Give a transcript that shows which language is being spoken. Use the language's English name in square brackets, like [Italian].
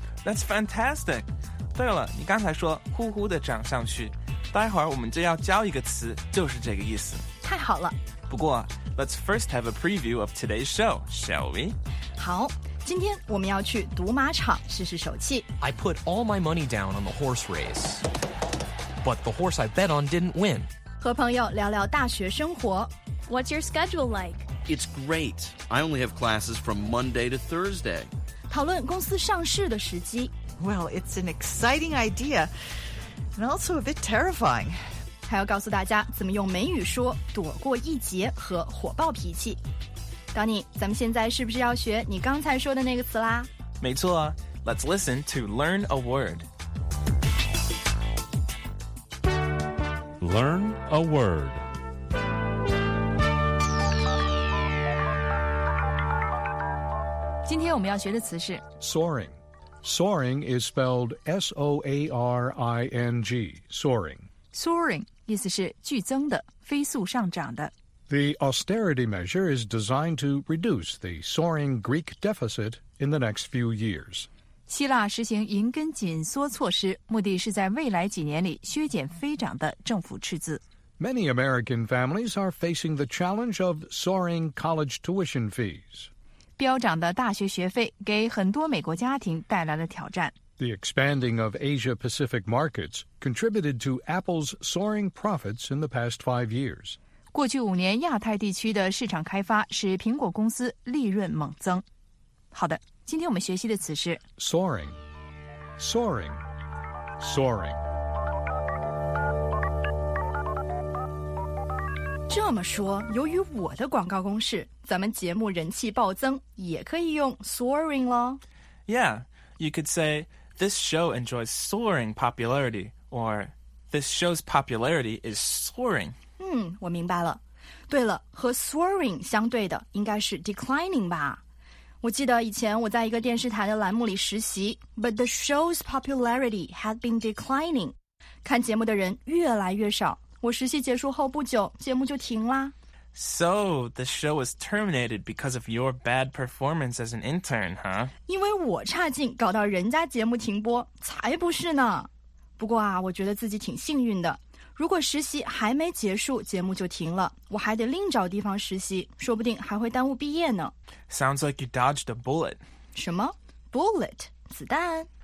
[English] That's fantastic。 [Chinese] 对了，你刚才说呼呼的涨上去，待会儿我们就要教一个词，就是这个意思。太好了。 [English] 不过 ，Let's first have a preview of today's show, shall we? [Chinese] 好，今天我们要去赌马场试试手气。 [English] I put all my money down on the horse race. But the horse I bet on didn't win. [Chinese] 和朋友聊聊大学生活。 [English] What's your schedule like? It's great. I only have classes from Monday to Thursday. [Chinese] 讨论公司上市的时机。 [English] Well, it's an exciting idea, and also a bit terrifying. [Chinese] 还要告诉大家怎么用美语说躲过一劫和火爆脾气。 Donny，咱们现在是不是要学你刚才说的那个词啦？没错啊。 [English] Let's listen to learn a word. Learn a word. [Chinese] Today, 我们要学的词是 [English] soaring. Soaring is spelled S-O-A-R-I-N-G, soaring. [Chinese] Soaring 意思是剧增的，飞速上涨的。 [English] The austerity measure is designed to reduce the soaring Greek deficit in the next few years. [Chinese] 希腊实行银根紧缩措施，目的是在未来几年里削减飞涨的政府赤字。 [English] Many American families are facing the challenge of soaring college tuition fees. [Chinese] 飙涨的大学学费给很多美国家庭带来了挑战。 [English] The expanding of Asia-Pacific markets contributed to Apple's soaring profits in the past 5 years. [Chinese] 过去五年亚太地区的市场开发使苹果公司利润猛增。好的。今天我们学习的词是 [English] soaring, soaring, soaring. [Chinese] 这么说，由于我的广告攻势，咱们节目人气暴增，也可以用 soaring 咯。 [English] Yeah, you could say this show enjoys soaring popularity, or this show's popularity is soaring. [Chinese] 我明白了。对了，和 soaring 相对的应该是 declining 吧。我记得以前我在一个电视台的栏目里实习 ， [English] But the show's popularity had been declining. [Chinese] 看节目的人越来越少。我实习结束后不久，节目就停啦。 [English] So the show was terminated because of your bad performance as an intern, huh? [Chinese] 因为我差劲，搞到人家节目停播，才不是呢。不过啊，我觉得自己挺幸运的。如果实习还没结束，节目就停了，我还得另找地方实习，说不定还会耽误毕业呢。 [English] Sounds like you dodged a bullet. [Chinese] 什么 ？Bullet， 子弹？